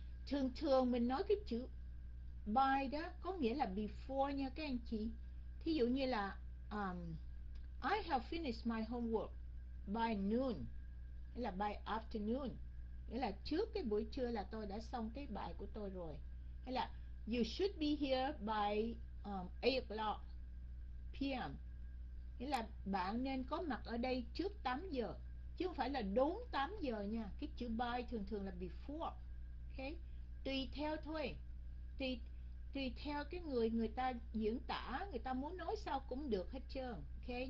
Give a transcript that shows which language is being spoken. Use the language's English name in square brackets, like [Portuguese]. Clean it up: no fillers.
[Vietnamese] Thường thường mình nói cái chữ by đó có nghĩa là before nha các anh chị. Thí dụ như là [English] I have finished my homework by noon, [Vietnamese] nghĩa là by afternoon, nghĩa là trước cái buổi trưa là tôi đã xong cái bài của tôi rồi. Hay là [English] you should be here by 8 o'clock p.m. [Vietnamese] Nghĩa là bạn nên có mặt ở đây trước 8 giờ, chứ không phải là đúng 8 giờ nha. Cái chữ by thường thường là before. Okay. Tùy theo thôi. Tùy theo cái người người ta diễn tả, người ta muốn nói sao cũng được hết trơn. Okay.